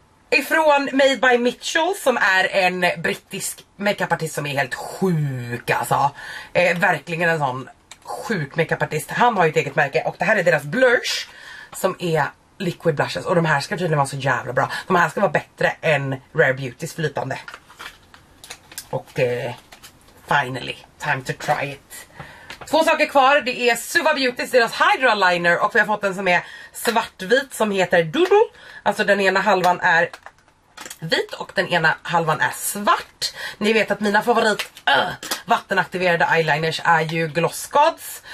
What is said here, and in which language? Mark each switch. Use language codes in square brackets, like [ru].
[sv] Ifrån Made by Mitchell som är en brittisk makeupartist som är helt sjuk alltså. Verkligen en sån sjuk makeupartist. Han har ju ett eget märke och det här är deras blush som är liquid blushes. Och de här ska tydligen vara så jävla bra. De här ska vara bättre än Rare Beautys flytande. [en] Och finally, time to try it. [sv] Två saker kvar, det är Suva Beautys, deras Hydra Liner, och vi har fått en som är svartvit som heter Dudu. Alltså den ena halvan är vit och den ena halvan är svart. Ni vet att mina favorit vattenaktiverade eyeliners är ju Gloss Gods.